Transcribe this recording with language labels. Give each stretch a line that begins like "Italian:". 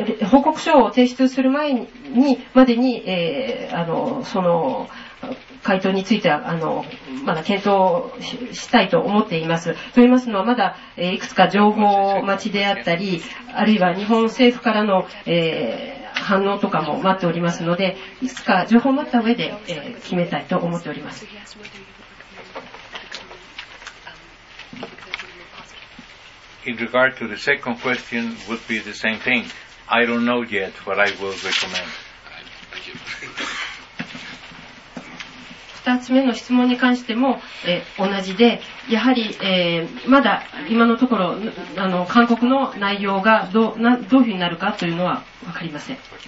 Japanese: 報告書を提出する前にまでに、その回答についてはまだ検討したいと思っています。と言いますのは、まだいくつか情報待ちであったり、あるいは日本政府からの、反応とかも待っておりますので、いつか情報を待った上で、決めたいと思っております。
English: In regard to the second question would be the same thing. I don't know yet what I will recommend. Thank you.
Japanese: 二つ目の質問に関しても、同じで、やはり、まだ今のところ勧告の内容がどういうふうになるかというのは分かりません。